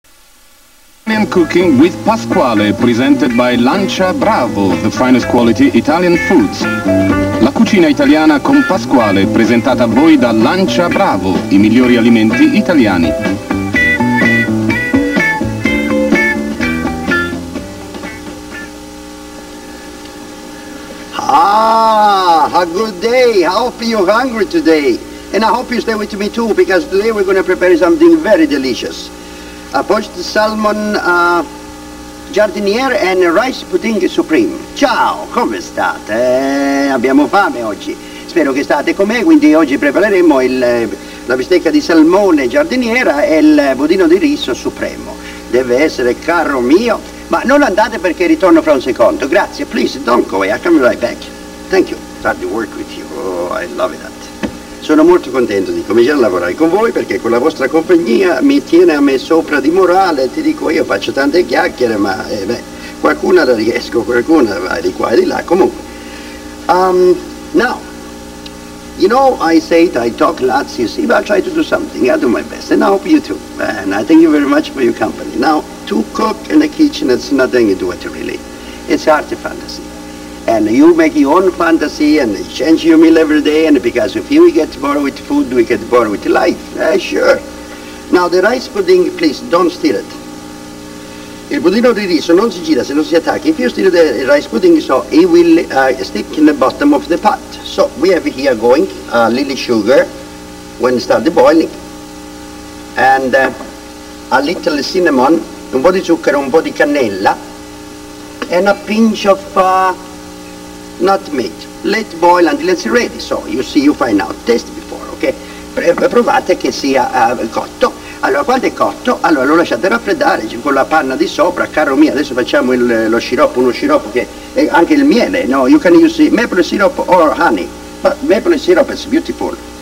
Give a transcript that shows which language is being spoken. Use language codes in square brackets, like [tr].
[en] Italian Cooking with Pasquale, presented by Lancia Bravo, the finest quality Italian foods. [it] La Cucina Italiana con Pasquale, presentata a voi da Lancia Bravo, i migliori alimenti italiani. [en] Ah, a good day. I hope you're hungry today. And I hope you stay with me too, because today we're going to prepare something very delicious. A poached salmon giardiniera and rice pudding supreme. [it] Ciao, come state? Abbiamo fame oggi. Spero che state con me, quindi oggi prepareremo la bistecca di salmone giardiniera e il budino di riso supremo. Deve essere caro mio. Ma non andate perché ritorno fra un secondo. Grazie, [en] please, don't go away. I'll come right back. Thank you. Glad to work with you. Oh, I love that. [it] Sono molto contento di cominciare a lavorare con voi perché con la vostra compagnia mi tiene a me sopra di morale. Ti dico, io faccio tante chiacchiere, ma qualcuna la riesco, qualcuna va di qua e di là. Comunque, [en] now, you know, I say that I talk lots, you see, but I try to do something. I do my best, and I hope you too. And I thank you very much for your company. Now, to cook in the kitchen, it's nothing you do it really. It's art and fantasy. And you make your own fantasy and change your meal every day, and because if you get bored with food, we get bored with life. Sure. Now the rice pudding, please, don't steal it. [it] Il budino di riso non si gira se non si attacca. [en] If you steal the rice pudding, so it will stick in the bottom of the pot. So we have here going a little sugar when it starts boiling. And a little cinnamon, [it] un po' di zucchero, un po' di cannella, [en] and a pinch of nutmeg. Let boil until it's ready. So you see, you find out, test before, ok? [it] Provate che sia cotto. Allora, quando è cotto, allora lo lasciate raffreddare con la panna di sopra. Caro mio, adesso facciamo lo sciroppo, uno sciroppo che è anche il miele, no? [en] You can use maple syrup or honey, but maple syrup is beautiful.